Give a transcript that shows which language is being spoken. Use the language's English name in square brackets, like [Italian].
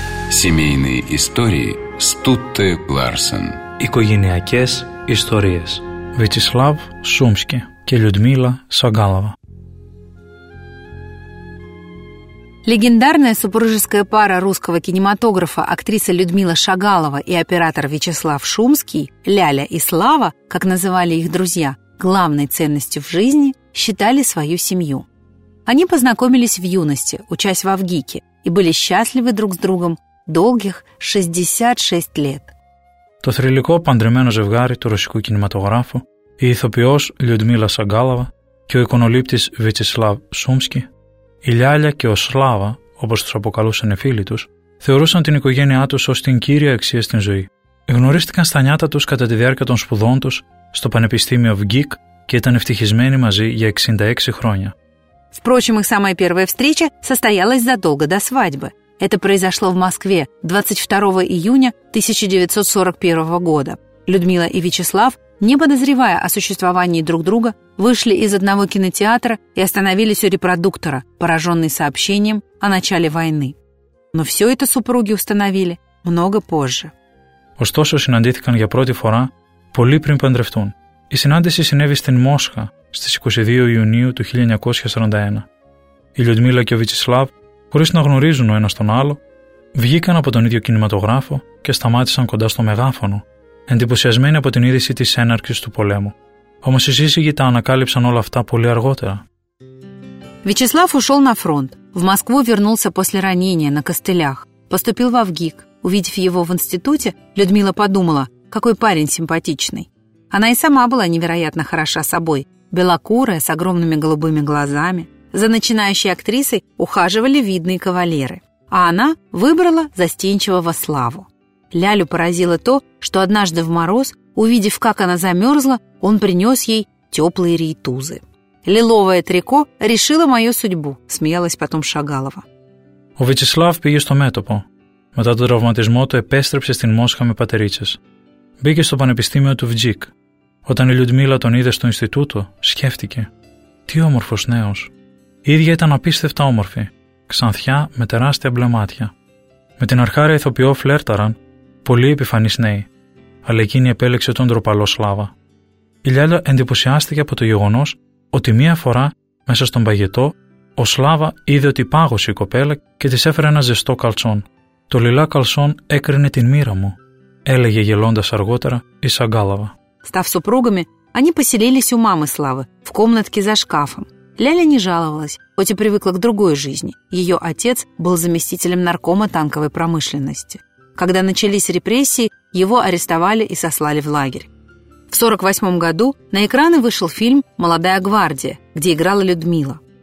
[Russian] Семейные истории Стутте Ларсен. [Greek] Οικογενειακές ιστορίες. Вячеслав Шумский και Людмила Сагалова. [Russian] Легендарная супружеская пара русского кинематографа, актриса Людмила Шагалова и оператор Вячеслав Шумский, Ляля и Слава, как называли их друзья, главной ценностью в жизни считали свою семью. Они познакомились в юности, учась во ВГИКе, и были счастливы друг с другом долгих 66 лет. [Greek] То θρυλικό παντρεμένο ζευγάρι του ρωσικού κινηματογράφου, η ηθοποιός Людмила Шагалова και ο εικονολήπτης Вячеслав Шумский. Η Λιάλια και ο Σλάβα, όπως τους αποκαλούσαν οι φίλοι τους, θεωρούσαν την οικογένειά τους ως την κύρια αξία στην ζωή. Γνωρίστηκαν στα νιάτα τους κατά τη διάρκεια των σπουδών τους στο Πανεπιστήμιο ΒΓΙΚ και ήταν ευτυχισμένοι μαζί για 66 χρόνια. [Russian] Впрочем, их самая первая встреча состоялась задолго до свадьбы. Это произошло в Москве 22 июня 1941 года. Людмила и Вячеслав, не подозревая о существовании друг друга, вышли из одного кинотеатра и остановились у репродуктора, пораженный сообщением о начале войны. Но все это супруги установили много позже. [Greek] Ωστόσο, συναντήθηκαν για πρώτη φορά πολύ πριν παντρευτούν. Η συνάντηση συνέβη στην Μόσχα στις 22 Ιουνίου του 1941. Η Λιουντμίλα και ο Βιτσισλάβ, χωρίς να γνωρίζουν ο ένας τον άλλο, βγήκαν από τον ίδιο κινηματογράφο και σταμάτησαν κοντά στο μεγάφωνο, εντυπωσιασμένοι από την είδηση της έναρξης του πολέμου. Όμως οι σύζυγοι τα ανακάλυψαν όλα αυτά πολύ αργότερα. [Russian] Вячеслав ушел на фронт. В Москву вернулся после ранения на костылях. Поступил во ВГИК. Увидев его в институте, Людмила подумала, какой парень симпатичный. Она и сама была невероятно хороша собой. Белокурая, с огромными голубыми глазами. За начинающей актрисой ухаживали видные кавалеры. А она выбрала застенчивого Славу. Лялю поразило то, что однажды в мороз, увидев, как она замерзла, он принес ей теплые рейтузы. «Лиловое трико решило мою судьбу», – смеялась потом Шагалова. [Greek] Ο Вячеслав πήγε στο μέτωπο. Μετά τον τραυματισμό του επέστρεψε στην Μόσχα με πατερίτσες. Μπήκε στο Πανεπιστήμιο του ΒΓΙΚ. Όταν η Λιουντμίλα τον είδε στο Ινστιτούτο, σκέφτηκε. «Τι όμορφος νέος». Η ίδια ήταν απίστευτα όμορφη. Ξανθιά με τεράστια μπλε μάτια. Με την αρχάρια ηθοποιό φλέρταραν πολύ επιφανείς νέοι, αλλά εκείνη επέλεξε τον ντροπαλό Σλάβα. Η Λιάλια εντυπωσιάστηκε από το γεγονός ότι μία φορά, μέσα στον παγετό, ο Σλάβα είδε ότι πάγωσε η κοπέλα και της έφερε ένα ζεστό καλσόν. «Το λιλά καλσόν έκρινε την μοίρα μου», έλεγε γελώντας αργότερα η Σαγκάλαβα. [Russian] Став супругами, они поселились у мамы Славы, в комнатке за шкафом. Ляля не жаловалась, хоть и привыкла к другой жизни. Ее отец был заместителем наркома танковой промышленности. Когда начались репрессии, его арестовали и сослали в лагерь. В 1948 году на экраны вышел фильм «Молодая гвардия», где играла Людмила.